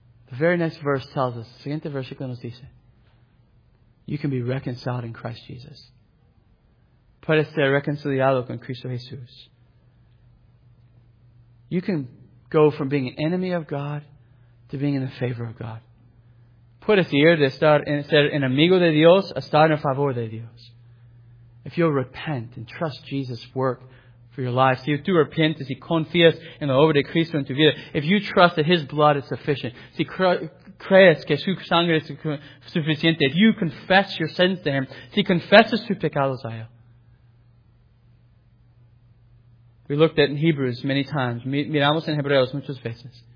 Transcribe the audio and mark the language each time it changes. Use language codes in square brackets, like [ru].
[en] The very next verse tells us, [es] siguiente versículo nos dice, [en] you can be reconciled in Christ Jesus. [es] Puedes ser reconciliado con Cristo Jesús. [en] You can go from being an enemy of God to being in the favor of God. [es] Puedes ir de ser enemigo de Dios a estar en favor de Dios. [en] If you'll repent and trust Jesus' work for your life. [es] Si tú arrepientes y confías en la obra de Cristo en tu vida. [en] If you trust that His blood is sufficient. [es] Si crees que su sangre es suficiente. [en] If you confess your sins to Him. [es] Si confesas tus pecados a Él. [en] We looked at it in Hebrews many times. [es] Miramos en Hebreos muchas veces.